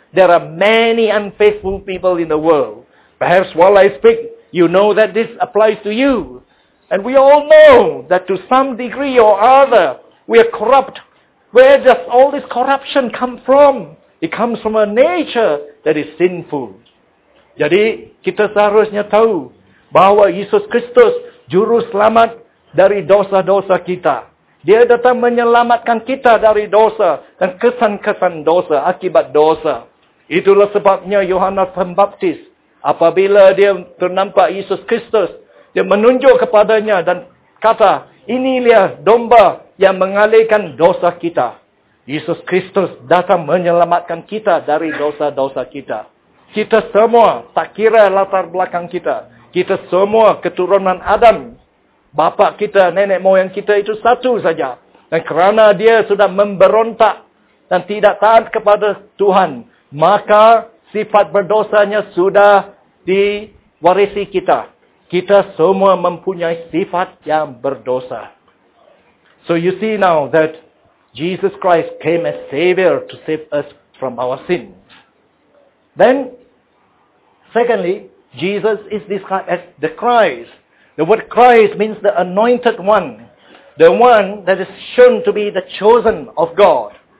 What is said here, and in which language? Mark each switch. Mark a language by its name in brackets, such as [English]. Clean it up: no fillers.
[English] There are many unfaithful people in the world. Perhaps while I speak, you know that this applies to you. And we all know that to some degree or other, we are corrupt. Where does all this corruption come from? It comes from a nature that is sinful. [Malay] Jadi, kita seharusnya tahu bahwa Yesus Kristus, Juru Selamat, dari dosa-dosa kita. Dia datang menyelamatkan kita dari dosa dan kesan-kesan dosa akibat dosa. Itulah sebabnya Yohanes Pembaptis apabila dia ternampak Yesus Kristus, dia menunjuk kepadanya dan kata, "Inilah domba yang mengalihkan dosa kita." Yesus Kristus datang menyelamatkan kita dari dosa-dosa kita. Kita semua, tak kira latar belakang kita, kita semua keturunan Adam. Bapa kita, nenek moyang kita itu satu saja. Dan kerana dia sudah memberontak dan tidak taat kepada Tuhan, maka sifat berdosanya sudah diwarisi kita. Kita semua mempunyai sifat yang berdosa. [English] So you see now that Jesus Christ came as Savior to save us from our sin. Then, secondly, Jesus is described as the Christ. The word Christ means the anointed one. The one that is shown to be the chosen of God.